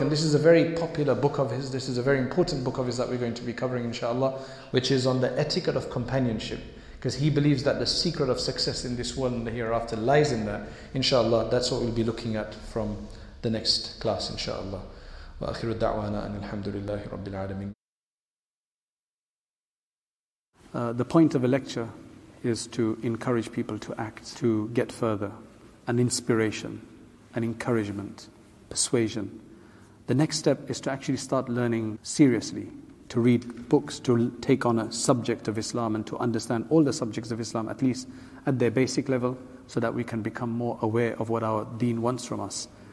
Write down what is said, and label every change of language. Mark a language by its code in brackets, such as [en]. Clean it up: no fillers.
[en] And this is a very popular book of his. This is a very important book of his that we're going to be covering inshallah, which is on the etiquette of companionship. Because he believes that the secret of success in this world and the hereafter lies in that. Inshallah, that's what we'll be looking at from the next class inshallah. [ar] وآخر الدعوانا أن الحمد لله رب العالمين. [en] The point of a lecture is to encourage people to act, to get further, an inspiration, an encouragement, persuasion. The next step is to actually start learning seriously, to read books, to take on a subject of Islam and to understand all the subjects of Islam, at least at their basic level, so that we can become more aware of what our deen wants from us.